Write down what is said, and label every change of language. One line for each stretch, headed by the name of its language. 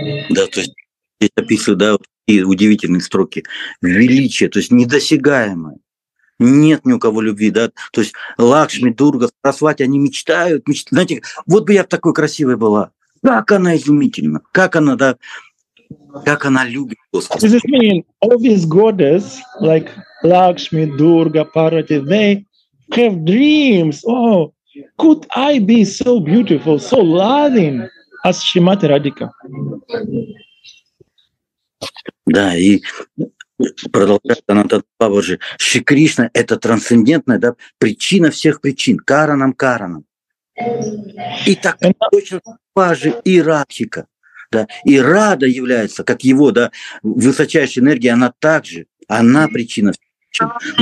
Russian: Да, то есть здесь описывают, да, такие удивительные строки. Величие, то есть недосягаемое. Нет ни у кого любви, да. То есть Лакшми, Дурга, Сарасвати, они мечтают. Знаете, вот бы я такой красивой была. Как она изумительна. Как она, да, как она любит Господа.
English: Does this mean all these goddesses, like Lakshmi, Durga, Parvati, they have dreams? Oh, could I be so beautiful, so loving? As Shrimati Radhika.
Russian: Да, и продолжает Анантад Бабаджи, Шри Кришна – это трансцендентная, да, причина всех причин, каранам каранам. И так точно Бабаджи и Радхика. Да, и Рада является, как его, да, высочайшая энергия, она также, она причина всех причин.